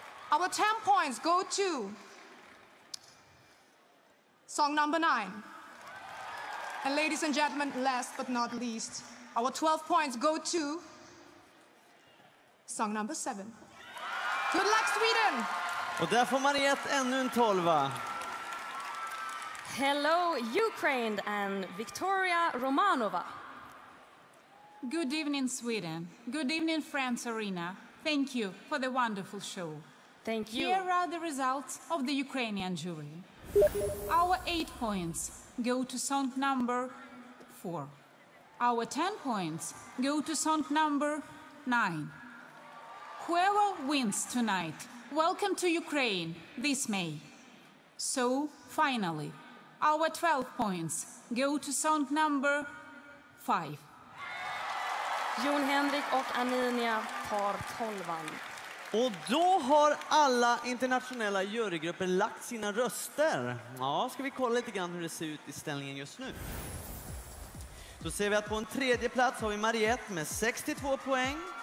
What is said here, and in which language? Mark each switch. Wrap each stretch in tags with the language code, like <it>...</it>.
<en>Our 10 points go to song number 9. And ladies and gentlemen, last but not least, our 12 points go to song number 7. Good luck, Sweden!</en> <sv>Och där får Mariette ännu en 12.</sv> <en>Hello, Ukraine and Victoria Romanova. Good evening, Sweden. Good evening, France Arena. Thank you for the wonderful show. Thank you. Here are the results of the Ukrainian jury. Our 8 points go to song number 4. Our 10 points go to song number 9. Whoever wins tonight, welcome to Ukraine this May. So, finally, our 12 points go to song number 5.</en> <sv>Jon Henrik och Aninia tar 12. Och då har alla internationella jurygrupper lagt sina röster. Ja, ska vi kolla lite grann hur det ser ut i ställningen just nu. Då ser vi att på en tredje plats har vi Mariette med 62 poäng.</sv>